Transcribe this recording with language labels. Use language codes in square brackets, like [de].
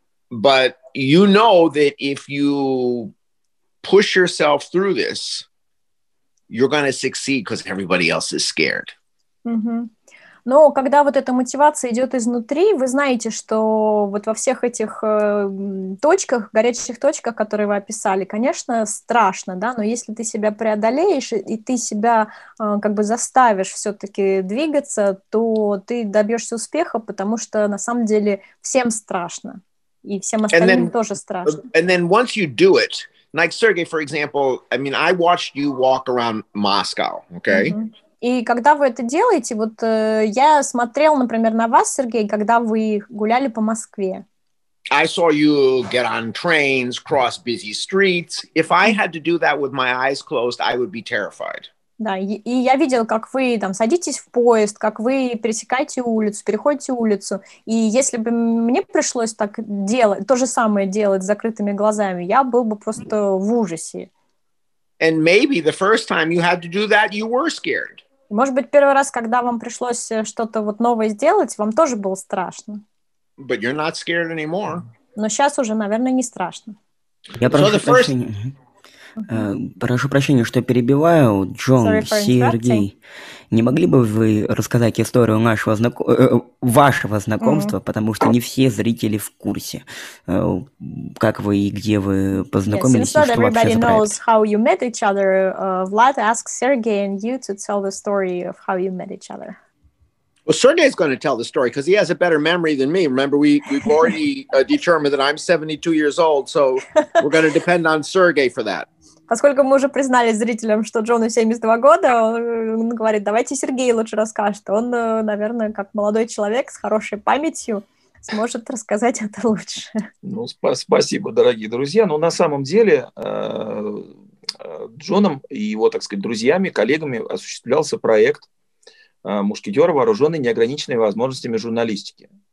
[en] But you know that if you push yourself through this, you're going to succeed because everybody else is scared. Mm-hmm. [ru] Но когда вот эта мотивация идет изнутри, вы знаете, что вот во всех этих точках, горячих точках, которые вы описали, конечно, страшно, да, но если ты себя преодолеешь и ты себя как бы заставишь все-таки двигаться, то ты добьешься успеха, потому что на самом деле всем страшно, и всем остальным тоже страшно. [en] And then once you do it, like Sergey, for example, I mean, I watched you walk around Moscow, okay? Mm-hmm. [ru] И когда вы это делаете, вот я смотрел, например, на вас, Сергей, когда вы гуляли по Москве. [en] I saw you get on trains, cross busy streets. If I had to do that with my eyes closed, I would be terrified. [ru] Да, и я видел, как вы там садитесь в поезд, как вы пересекаете улицу, переходите улицу. И если бы мне пришлось так делать, то же самое делать с закрытыми глазами, я был бы просто в ужасе. [en] And maybe the first time you had to do that, you were scared. [ru] Может быть, первый раз, когда вам пришлось что-то вот новое сделать, вам тоже было страшно. [en] But you're not scared anymore. [ru] Но сейчас уже, наверное, не страшно. Я прошу прощения, что перебиваю. Джон, Сергей, не могли бы вы рассказать историю вашего знакомства, потому что не все зрители в курсе, как вы и где вы познакомились, [en] yes, [ru] и что вообще за проект? [en] How you met each other. Vlad asks Sergey and you to tell the story of how you met each other. Well, Sergey's going to tell the story because he has a better memory than me. Remember, we've already determined that I'm 72 years old, so we're going to depend on Sergey for that. [ru] Поскольку мы уже признали зрителям, что Джону 72 года, он говорит, давайте Сергей лучше расскажет. Он, наверное, как молодой человек с хорошей памятью сможет рассказать это лучше. Ну, спасибо, дорогие друзья. Но на самом деле Джоном и его, так сказать, друзьями, коллегами осуществлялся проект «Мушкетеры, вооруженные неограниченными возможностями журналистики».